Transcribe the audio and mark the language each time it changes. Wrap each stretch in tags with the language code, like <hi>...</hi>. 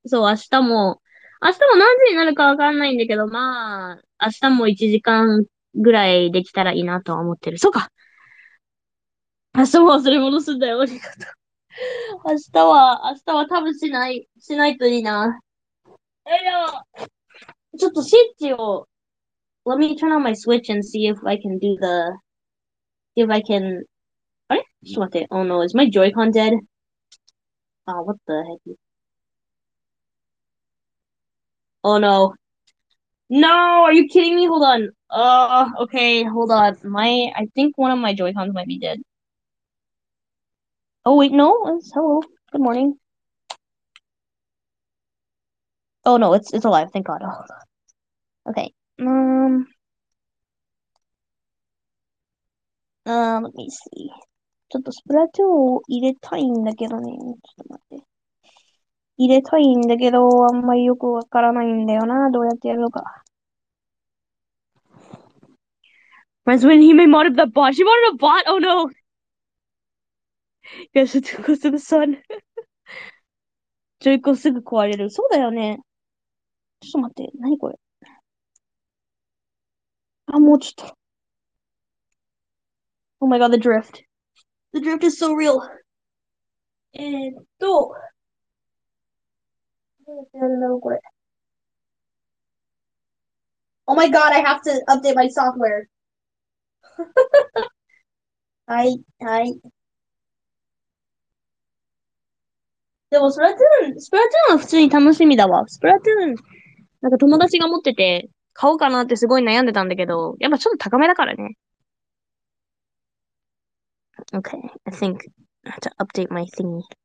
<ja>そう、明日も何時になるかわかんないんだけど、まあ明日も1時間ぐらいできたらいいなとは思ってる。そうか。明日も忘れ物するんだよ。ありがとう。明日は多分しないといいな。ちょっとスイッチを。</ja> <en>Let me turn on my switch and see if I can do the. See if I can.</en> <ja>あれ？ちょっと待って。</ja> <en>Oh no, is my Joy-Con dead? Ah, what the heck? Oh no. No, are you kidding me? Hold on. Okay, hold on. I think one of my Joy-Cons might be dead. Oh wait, no. It's hello. Good morning. Oh no, it's alive. Thank God. Oh. Okay. Let me see.</en> <ja>ちょっとスプラトゥーンを入れたいんだけどね。ちょっと待って。入れたいんだけど、あんまりよくわからないんだよな。どうやってやるのか。</ja> <en>Friends, when he made mod of the bot, she wanted a bot. Oh no! Yes, it's too close to the sun.</en> <ja>ジョイコすぐ壊れる。そうだよね。ちょっと待って、何これ。あ、もうちょっと。</ja> <en>Oh my god, the drift. The drift is so real.</en> <ja>どうやってやるんだろう、これ。</ja> <en>Oh my god, I have to update my software.</en> <ja>でも、スプラトゥーンは普通に楽しみだわ。スプラトゥーン、なんか友達が持ってて、買おうかなってすごい悩んでたんだけど、やっぱちょっと高めだからね。</ja> <en>Okay, I think I have to update my thingy.</en>